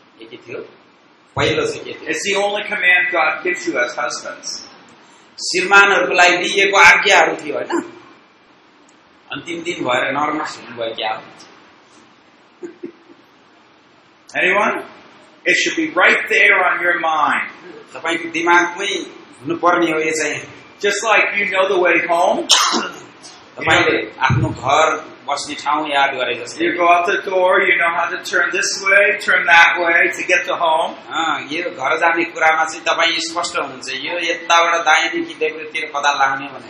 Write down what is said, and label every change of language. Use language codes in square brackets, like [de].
[ne] के थियो पहिलो चाहिँ? के थियो? [en] It's the only command God gives you as husbands. [ne] श्रीमानहरूको लागि दिएको आज्ञाहरू थियो होइन? अन्तिम दिन भएर नर्मस हुनुभयो क्या? [en] Anyone? It should be right there on your mind. [ne] तपाईँको दिमागमै हुनुपर्ने हो यो चाहिँ. [en] Just like you know the way home. [ne] तपाईँले आफ्नो घर बस्ने ठाउँ याद गरे जस्तो. यो घर जाने कुरामा चाहिँ तपाईँ स्पष्ट हुनुहुन्छ, यो यताबाट दायाँदेखि देब्रेतिर कदा लाग्ने